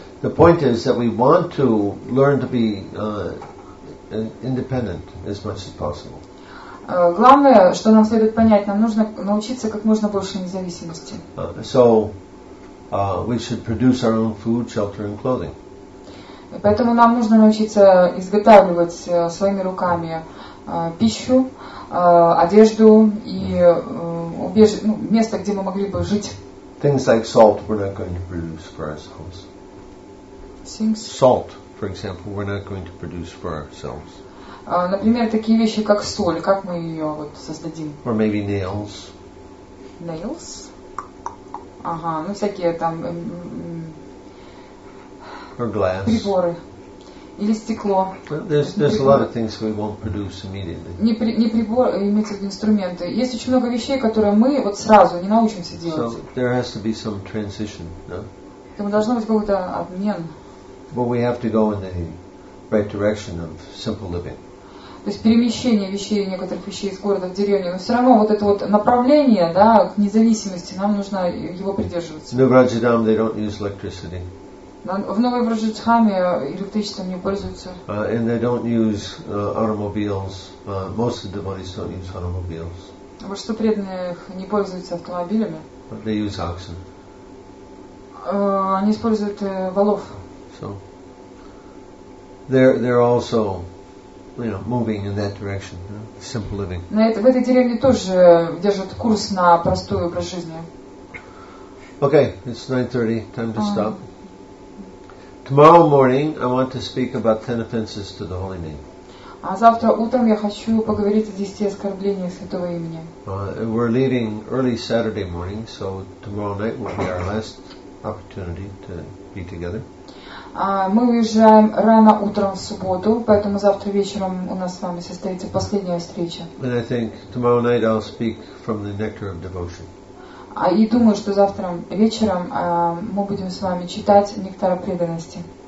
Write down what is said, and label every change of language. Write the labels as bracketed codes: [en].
[en] The point is that we want to learn to be independent as much as possible. [ru] Главное, что нам следует понять, нам нужно научиться как можно больше независимости. [en] So, we should produce our own food, shelter and clothing. [ru] Поэтому нам нужно научиться изготавливать своими руками пищу, одежду и место, где мы могли бы жить. [en] Things like salt we're not going to produce for ourselves. Things. Salt, for example, we're not going to produce for ourselves. [ru] Например, такие вещи, как соль, как мы ее вот создадим? [en] Or maybe nails. [ru] Nails? Ага, всякие там... [en] Or glass. [ru] Приборы. или стекло. [en] There's a lot of things we won't produce immediately. [ru] Не прибор, имеется в виду инструменты. Есть очень много вещей, которые мы вот сразу не научимся делать. [en] So there has to be some transition, no? [ru] Поэтому должно быть какой-то обмен. [en] But we have to go in the right direction of simple living. [ru] То есть перемещение вещей, некоторых вещей из города в деревню, но все равно вот это вот направление, да, к независимости, нам нужно его придерживаться. [en] New Vrajadam, they don't use electricity. [ru] В Новой Враждхаме электричеством не пользуются. [en] And they don't use automobiles. Most of the devotees don't use automobiles. [ru] Большинство преданных не пользуются автомобилями. [en] But they use oxen. [ru] Они используют волов. [en] So they're also, you know, moving in that direction, you know, simple living. [ru] В этой деревне тоже держат курс на простой образ жизни. [en] Okay, it's 9:30. Time to stop. Tomorrow morning, I want to speak about 10 offenses to the holy name. [ru] А завтра утром я хочу поговорить о 10 оскорблениях святого имени. [en] We're leaving early Saturday morning, so tomorrow night will be our last opportunity to be together. [ru] Мы уезжаем рано утром в субботу, поэтому завтра вечером у нас с вами состоится последняя встреча. [en] And I think tomorrow night I'll speak from the nectar of devotion. [ru] И думаю, что завтра вечером мы будем с вами читать нектар преданности.